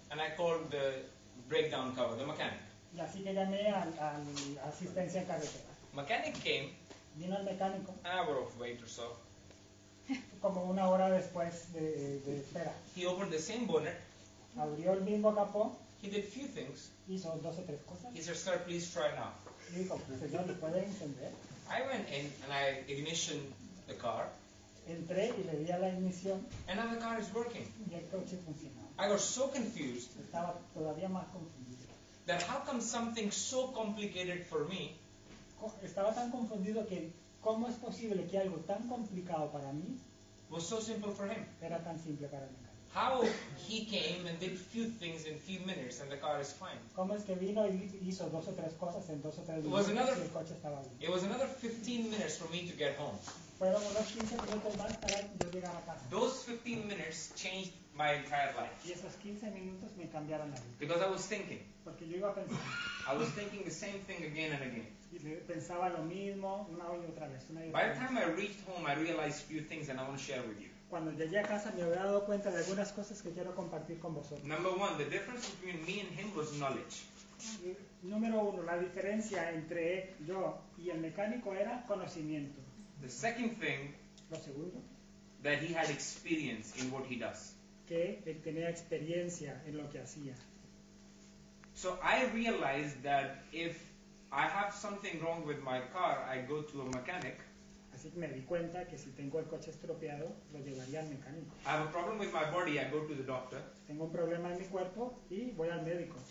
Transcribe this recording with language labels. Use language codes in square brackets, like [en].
[en] and I called the breakdown cover, the mechanic. [es] Y así que llamé al asistencia en carretera. [en] Mechanic came. [es] Vino el mecánico. [en] An hour of wait or so. [es] Como una hora después de espera. [en] He opened the same bonnet. [es] Abrió el mismo capó. [en] He did few things. [es] Hizo dos o tres cosas. [en] He said, sir, please try now. [es] Y dijo, señor, ¿me puede encender? [en] I went in and I ignition the car. [es] Entré y le di a la ignición. [en] And now the car is working. [es] Y el coche funcionaba. [en] I got so confused. [es] Estaba todavía más confundido. [en] That how come something so complicated for me? [es] Estaba tan confundido que cómo es posible que algo tan complicado para mí [en] was so simple for him. [es] Era tan simple para mí. [en] How he came and did few things in few minutes and the car is fine. [es] Cómo es que vino y hizo dos o tres cosas en dos o tres minutos y el coche estaba bien. [en] It was another 15 minutes for me to get home. [es] Fueron unos 15 minutos más para yo llegar a casa. [en] Those 15 minutes changed my entire life. [es] Y esos 15 minutos me cambiaron la vida. [en] Because I was thinking. [es] Porque yo iba pensando. [en] I was thinking the same thing again and again. [es] Y pensaba lo mismo una y otra vez, una y otra [en] By the time I reached home, I realized a few things and I want to share with you. [es] Cuando llegué a casa me había dado cuenta de algunas cosas que quiero compartir con vosotros. [en] Number one, the difference between me and him was knowledge. [es] Número uno, la diferencia entre yo y el mecánico era conocimiento. [en] The second thing, [es] lo segundo, [en] that he had experience in what he does. [es] Que él tenía experiencia en lo que hacía. [en] So I realized that if I have something wrong with my car, I go to a mechanic. [es] Así que me di cuenta que si tengo el coche estropeado, lo llevaría al mecánico. [en] I have a problem with my body, I go to the doctor. [es] Tengo un problema en mi cuerpo y voy al médico.